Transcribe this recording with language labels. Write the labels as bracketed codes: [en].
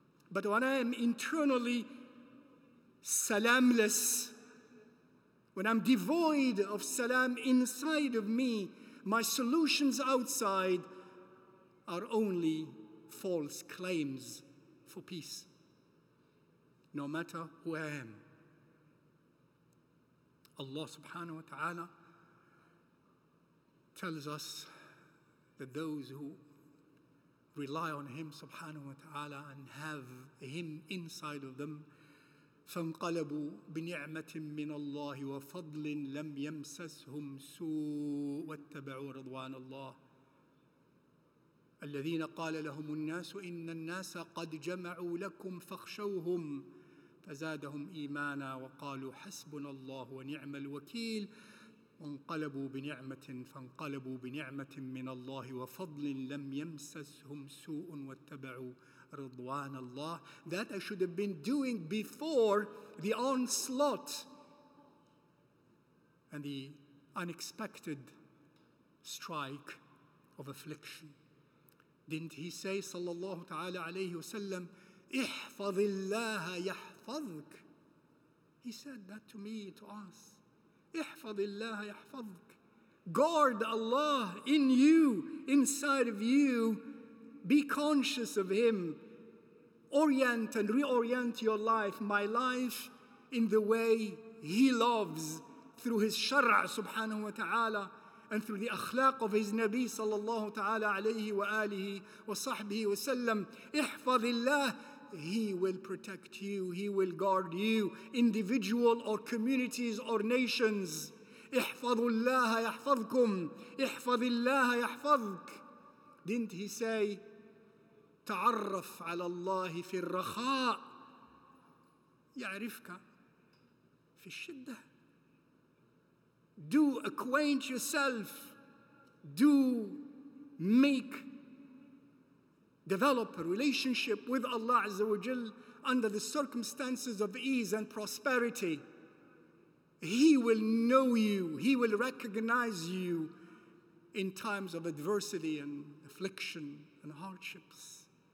[en] But when I am internally salamless, when I'm devoid of salam inside of me, my solutions outside are only false claims for peace, no matter who I am. Allah subhanahu wa ta'ala tells us that those who rely on Him subhanahu wa ta'ala and have Him inside of them, [ar] فَانْقَلَبُوا بِنِعْمَةٍ مِّنَ اللَّهِ وَفَضْلٍ لَمْ يَمْسَسْهُمْ سُوءٌ وَاتَّبَعُوا رَضْوَانَ اللَّهِ الَّذِينَ قَالَ لَهُمُ النَّاسُ إِنَّ النَّاسَ قَدْ جَمَعُوا لَكُمْ فَاخْشَوْهُمْ فَزَادَهُمْ إِيمَانًا وَقَالُوا حَسْبُنَا اللَّهُ وَنِعْمَ الْوَكِيلُ وَانْقَلَبُوا بِنِعْمَةٍ فَانْقَلَبُوا بِنِعْمَةٍ مِّنَ اللَّهِ وَفَضْلٍ لَمْ يَمْسَسْهُمْ سُوءٌ وَاتَّبَعُوا رضوان الله. [en] That I should have been doing before the onslaught and the unexpected strike of affliction. Didn't he say, [ar] sallallahu ta'ala alayhi wa sallam, احفظ الله يحفظك. [en] He said that to me, to us. [ar] احفظ الله يحفظك. [en] Guard Allah in you, inside of you. Be conscious of Him. Orient and reorient your life, my life, in the way He loves, through His shara' subhanahu wa ta'ala, and through the akhlaq of His Nabi sallallahu ta'ala alayhi wa alihi wa sahbihi wa sallam. Ihfadillah, He will protect you, He will guard you, individual or communities or nations. [ar] Ihfadullaha yahfadkum, ihfadillaha yahfadk. [en] Didn't he say, [ar] تعرف على الله في الرخاء يعرفك في الشدة. [en] Do acquaint yourself, do make develop a relationship with Allah Azza wa Jal under the circumstances of ease and prosperity, He will know you, He will recognize you in times of adversity and affliction and hardships.